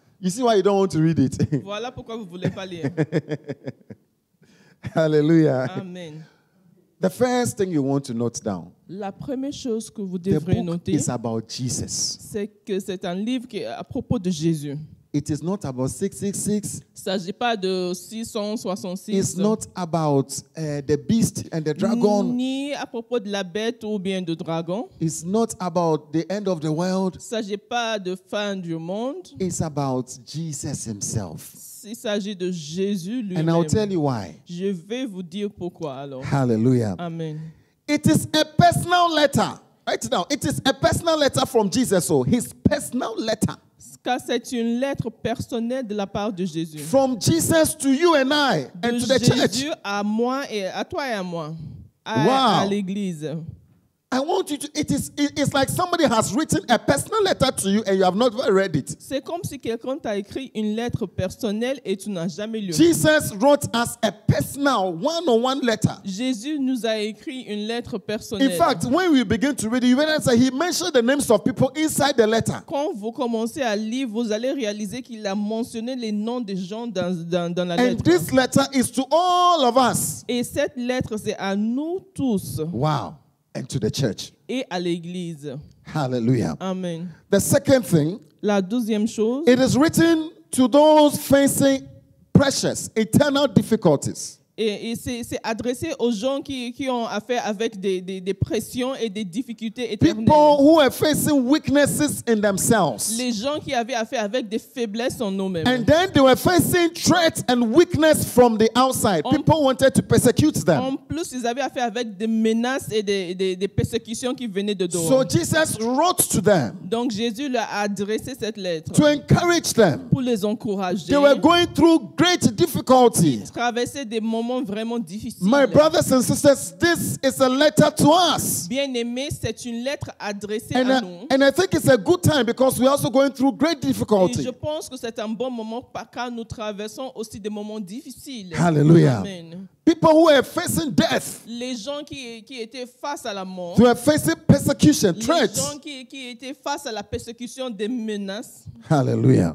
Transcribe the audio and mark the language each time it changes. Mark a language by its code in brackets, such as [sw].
[en] You see why you don't want to read it. [fr] Voilà pourquoi vous voulez pas lire. [en] Hallelujah. Amen. The first thing you want to note down. [fr] La première chose que vous devrez noter. [en] It's about Jesus. [fr] C'est que c'est un livre qui à propos de Jésus. [en] It is not about 666. [fr] Il s'agit pas de 666. [en] It's not about the beast and the dragon. [fr] Ni à propos de la bête ou bien du dragon. [en] It's not about the end of the world. [fr] Il s'agit pas de fin du monde. [en] It's about Jesus himself. [fr] Il s'agit de Jésus lui-même. [en] And I'll tell you why. [fr] Je vais vous dire pourquoi alors. [en] Hallelujah. Amen. It is a personal letter. Right now, it is a personal letter from Jesus. So his personal letter. [fr] Car c'est une lettre personnelle de la part de Jésus. [en] From Jesus to you and I and [fr] de [en] to the [fr] Jésus [en] church. [fr] À moi et à toi et à moi. À, wow. À l'église. [en] I want you to. It's like somebody has written a personal letter to you and you have not read it. [fr] C'est comme si quelqu'un t'a écrit une lettre personnelle et tu n'as jamais lu. [en] Jesus wrote us a personal one-on-one letter. [fr] Jésus nous a écrit une lettre personnelle. [en] In fact, when we begin to read it, you realize that he mentioned the names of people inside the letter. [fr] Quand vous commencez à lire, vous allez réaliser qu'il a mentionné les noms des gens dans la lettre. [en] And this letter is to all of us. [fr] Et cette lettre c'est à nous tous. [en] Wow. And to the church. [fr] Et à l'église. [en] Hallelujah. Amen. The second thing. [fr] La deuxième chose. [en] It is written to those facing precious eternal difficulties. [fr] Et c'est adressé aux gens qui ont affaire avec des pressions et des difficultés éternelles. [en] People who are facing weaknesses in themselves. [fr] Les gens qui avaient affaire avec des faiblesses en eux-mêmes. [en] And then they were facing threats and weakness from the outside. People wanted to persecute them. [fr] En plus, ils avaient affaire avec des menaces et des persécutions qui venaient de dehors. [en] So Jesus wrote to them. [fr] Donc Jésus leur a adressé cette lettre. [en] To encourage them. [fr] Pour les encourager. [en] They were going through great difficulties. [fr] Ils traversaient des moments vraiment difficile. [en] My brothers and sisters, this is a letter to us. [fr] Bien-aimés, c'est une lettre adressée [en] and [fr] à [en] I, [fr] nous. [en] And I think it's a good time because we're also going through great difficulty. [fr] Et je pense que c'est un bon moment car nous traversons aussi des moments difficiles. [en] Hallelujah. Amen. People who are facing death. [fr] Les gens qui étaient face à la mort. [en] They were facing persecution, threats. [fr] Les gens qui étaient face à la persécution, des menaces. [en] Hallelujah.